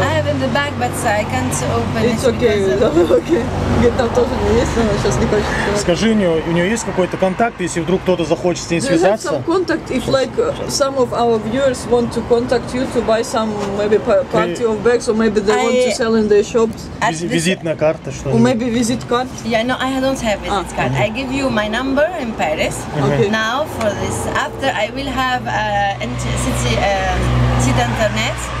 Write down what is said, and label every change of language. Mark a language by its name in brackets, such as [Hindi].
[English] I have in the bag, but I can't open it's it. It's okay. [Russian] Где-то тоже не есть, но сейчас не хочется. Скажи, у нее есть какой-то контакт, если вдруг кто-то захочет с ней связаться? [English] There's some contact. If like some of our viewers want to contact you to buy some maybe party of bags, or maybe they want to sell in their shops. [Russian] Визитная карта, что ли? [English] Or maybe visit card? Yeah, no, I don't have visit card. I give you my number in Paris. Okay. Now for this, after I will have city internet.